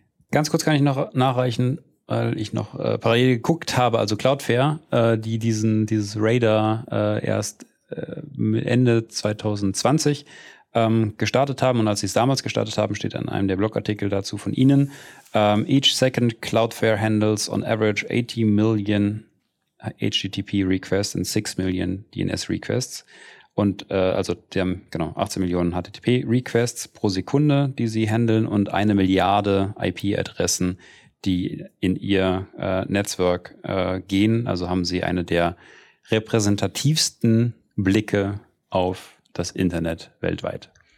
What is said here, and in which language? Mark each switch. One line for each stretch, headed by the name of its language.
German: Ganz kurz kann ich noch nachreichen, weil ich noch parallel geguckt habe, also Cloudflare, die dieses Radar erst Ende 2020 gestartet haben und als sie es damals gestartet haben, steht in einem der Blogartikel dazu von Ihnen.
English: Each second Cloudflare handles on average 80 million HTTP requests and 6 million DNS requests.
German: Und also die haben genau 18 Millionen HTTP requests pro Sekunde, die sie handeln und 1 Milliarde IP-Adressen, die in ihr Netzwerk gehen. Also haben sie eine der repräsentativsten Blicke auf das Internet weltweit.